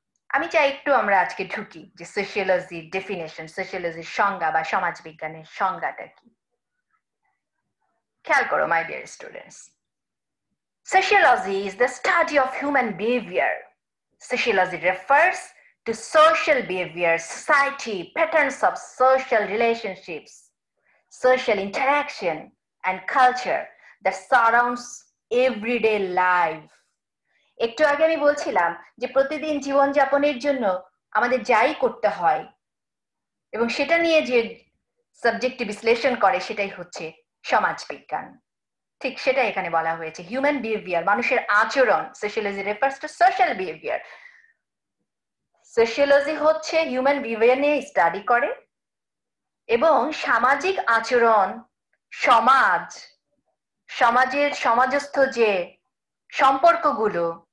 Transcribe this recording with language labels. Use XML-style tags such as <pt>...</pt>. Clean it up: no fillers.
<bn>আমি চাই একটু আমরা আজকে ঢুকি যে সোশিয়োলজির ডেফিনেশন, সোশিয়োলজির সংজ্ঞা বা সমাজ বিজ্ঞানের সংজ্ঞাটা কি। খেয়াল করো</bn> <en>My dear students, sociology is the study of human behaviour. Sociology refers to social behavior, society, patterns of social relationships, social interaction, and culture that surrounds everyday life.</en> <bn>একটু আগে আমি বলছিলাম যে প্রতিদিন জীবন যাপনের জন্য আমাদের যাই করতে হয় এবং সেটা নিয়ে যে সাবজেক্টটি বিশ্লেষণ করে সেটাই হচ্ছে সমাজবিজ্ঞান। ঠিক সেটা এখানে বলা হয়েছে, হিউম্যান বিহেভিয়ার, মানুষের আচরণ।</bn> <en>sociology refers to social behaviour,</en> <bn>sociology হচ্ছে হিউম্যান বিহেভিয়ার নিয়ে স্টাডি করে এবং সামাজিক আচরণ, সমাজ, সমাজের সমাজস্থ যে সম্পর্কগুলো,</bn>